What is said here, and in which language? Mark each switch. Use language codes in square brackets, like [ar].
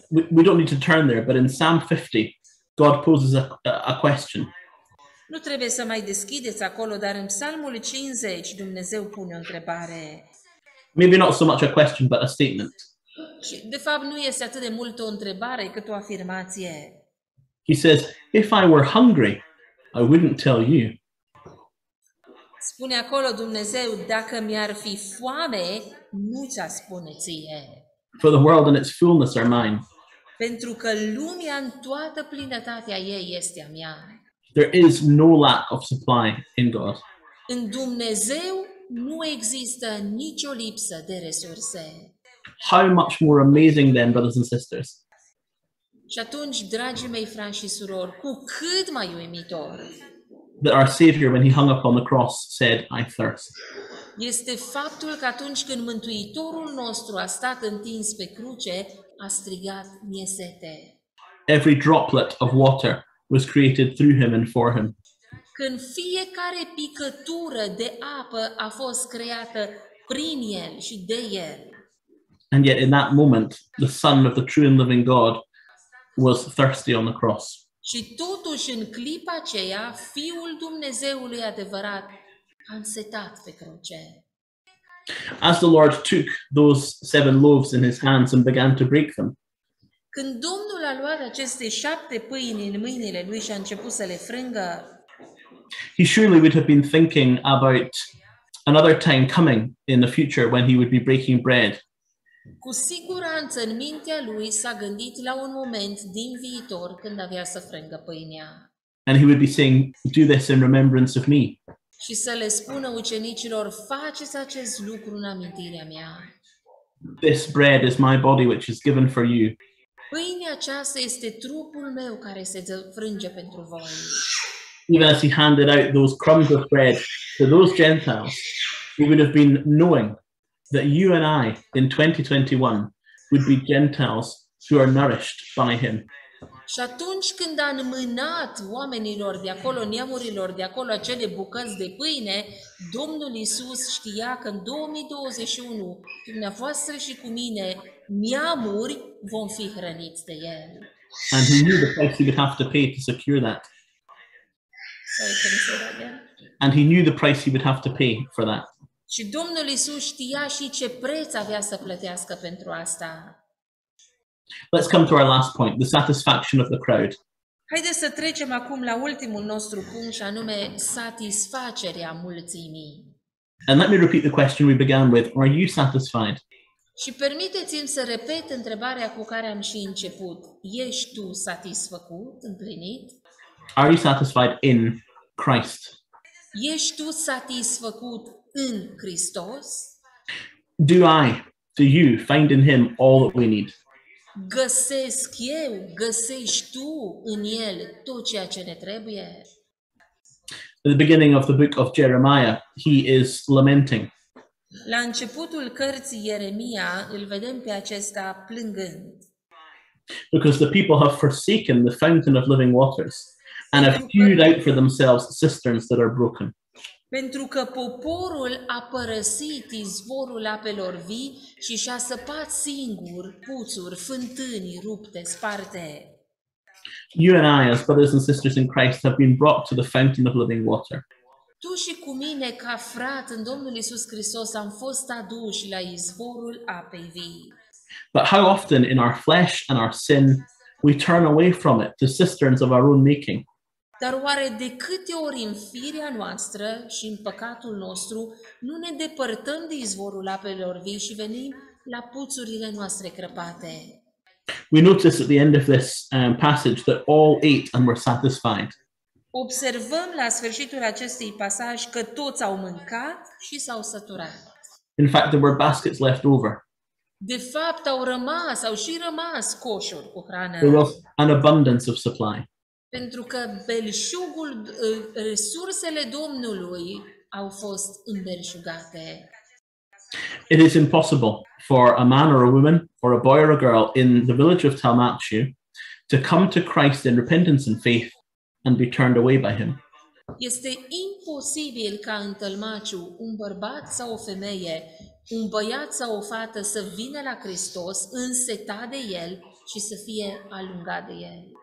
[en] We don't need to turn there, but in Psalm 50, God poses a question. [ro] Nu trebuie să mai deschideți acolo, dar în Psalmul 50 Dumnezeu pune o întrebare. [en] Maybe not so much a question, but a statement. [ro] Și de fapt nu este atât de mult o întrebare cât o afirmație. [en] He says, if I were hungry, I wouldn't tell you. [ro] Spune acolo Dumnezeu, dacă mi-ar fi foame, nu ți-a spune ție. [en] For the world and its fullness are mine. [ro] Pentru că lumea în toată plinătatea ei este a mea. [en] There is no lack of supply in God. [ro] În Dumnezeu nu există nicio lipsă de resurse. [en] How much more amazing then, brothers and sisters. [ro] Și atunci, dragii mei frați și surori, cu cât mai uimitor. [en] That our Savior, when he hung upon the cross, said, I thirst. [ro] Este faptul că atunci când Mântuitorul nostru a stat întins pe cruce, a strigat, mi-e sete. [en] Every droplet of water was created through him and for him. [ro] Când fiecare picătură de apă a fost creată prin el și de el. [en] And yet in that moment, the Son of the true and living God was thirsty on the cross. [ro] Și totuși în clipa aceea, Fiul Dumnezeului adevărat a însetat pe cruce. [en] As the Lord took those 7 loaves in his hands and began to break them, [ro] când Domnul a luat aceste 7 pâini în mâinile lui și a început să le frângă, [en] he surely would have been thinking about another time coming in the future when he would be breaking bread. [ro] Cu siguranță în mintea lui s-a gândit la un moment din viitor când avea să frângă pâinea. [en] And he would be saying, do this in remembrance of me. [ro] Și să le spună ucenicilor, faceți acest lucru în amintirea mea. [en] This bread is my body which is given for you. [ro] Pâinea aceasta este trupul meu care se frânge pentru voi. [en] Even as he handed out those crumbs of bread to those Gentiles, we would have been knowing that you and I in 2021 would be Gentiles who are nourished by him. [ro] Și atunci când a înmânat oamenilor de acolo, neamurilor de acolo, acele bucăți de pâine, Domnul Iisus știa că în 2021, dumneavoastră și cu mine, neamuri vom fi hrăniți de el. [en] And he knew the price he would have to pay to secure that. Sorry, can you say that again? And he knew the price he would have to pay for that. [ro] Și Domnul Iisus știa și ce preț avea să plătească pentru asta. [en] Let's come to our last point, the satisfaction of the crowd. [ro] Haideți să trecem acum la ultimul nostru punct, și anume satisfacerea mulțimii. [en] And let me repeat the question we began with, are you satisfied? [ro] Și permiteți-mi să repet întrebarea cu care am și început. Ești tu satisfăcut, împlinit? [en] Are you satisfied in Christ? [ro] Ești tu satisfăcut în Hristos? [en] Do I, do you find in him all that we need? [ro] Găsesc eu, găsești tu în el tot ceea ce ne trebuie? [en] At the beginning of the book of Jeremiah, he is lamenting. [ro] La începutul cărții Ieremia, îl vedem pe acesta plângând. [en] Because the people have forsaken the fountain of living waters and have hewed out for themselves cisterns that are broken. [ro] Pentru că poporul a părăsit izvorul apelor vii și și-a săpat singur puțuri, fântâni rupte, sparte. [en] You and I, as brothers and sisters in Christ, have been brought to the fountain of living water. [ro] Tu și cu mine, ca frat în Domnul Iisus Hristos, am fost aduși la izvorul apei vii. [en] But how often in our flesh and our sin, we turn away from it to cisterns of our own making. [ro] Dar oare de câte ori în firea noastră și în păcatul nostru nu ne depărtăm de izvorul apelor vii și venim la puțurile noastre crăpate? [en] We notice at the end of this passage that all ate and were satisfied. [ro] Observăm la sfârșitul acestui pasaj că toți au mâncat și s-au săturat. [en] In fact, there were baskets left over. [ro] De fapt, au și rămas coșuri cu hrană. [en] There was an abundance of supply. [ro] Pentru că belșugul, resursele Domnului au fost îmbelșugate. [en] It is impossible for a man or a woman or a boy or a girl in the village of Talmachew to come to Christ in repentance and faith and be turned away by him. [ro] Este imposibil ca în Talmachew un bărbat sau o femeie, un băiat sau o fată să vină la Hristos însetat de el și să fie alungat de el.